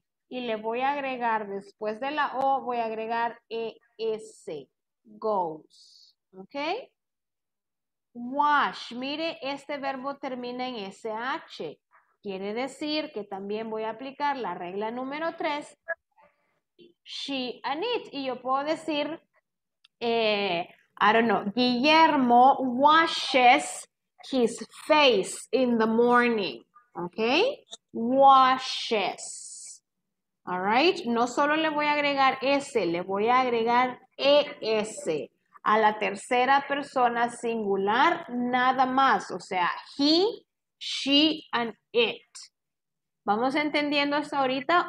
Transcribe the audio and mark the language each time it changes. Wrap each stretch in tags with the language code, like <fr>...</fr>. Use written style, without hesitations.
<es>Y le voy a agregar, después de la O, voy a agregar ES, goes. ¿Ok? Wash. Mire, este verbo termina en SH. Quiere decir que también voy a aplicar la regla número 3.</es> <en>She and it. Y yo puedo decir, I don't know, Guillermo washes his face in the morning. ¿Ok? Washes. All right.</en> <es>No solo le voy a agregar S, le voy a agregar ES. A la tercera persona singular, nada más. O sea, he, she, and it. ¿Vamos entendiendo hasta ahorita?</es>